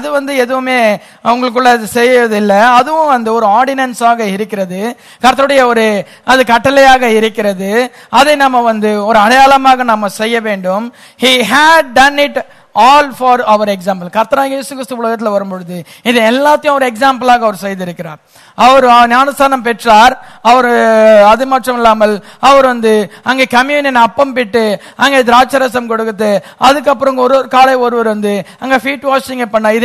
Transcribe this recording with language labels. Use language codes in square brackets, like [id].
[ta] அது வந்து எதுவுமே அவங்களுக்குள்ள அது செய்யவில்லை, அதுவும் வந்து ஒரு ஆர்டினன்ஸாக இருக்கிறது, கர்த்தருடைய ஒரு அது கட்டளையாக இருக்கிறது, அதை நம்ம வந்து ஒரு அடையாளமாக நம்ம செய்ய வேண்டும். [en] He had done it all for our example. [ta] கர்த்தராகிய இயேசு கிறிஸ்து உலகத்தில் வரும்பொழுது இது எல்லாத்தையும் ஒரு எக்ஸாம்பிளாக அவர் செய்திருக்கிறார். அவர் ஞானஸ்தானம் பெற்றார், அவர் அது மட்டும் இல்லாமல் அவர் வந்து அங்கே கம்யூனியன் அப்பம் பிட்டு அங்கே திராட்சரசம் கொடுத்து அதுக்கப்புறம் ஒரு ஒரு காலை ஒருவர் வந்து அங்கே ஃபீட் வாஷிங்கை பண்ணார்.